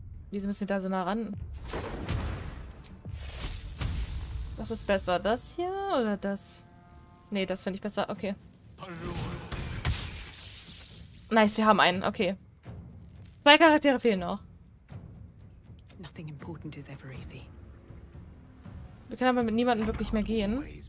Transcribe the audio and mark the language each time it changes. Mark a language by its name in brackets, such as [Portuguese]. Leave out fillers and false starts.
[German] Wieso müssen wir da so nah ran? Was ist besser? Das hier oder das? Nee, das finde ich besser. Okay. Nice, wir haben einen. Okay. Zwei Charaktere fehlen noch. [English] Nothing important is ever easy. [German] Wir können aber mit niemandem wirklich mehr gehen.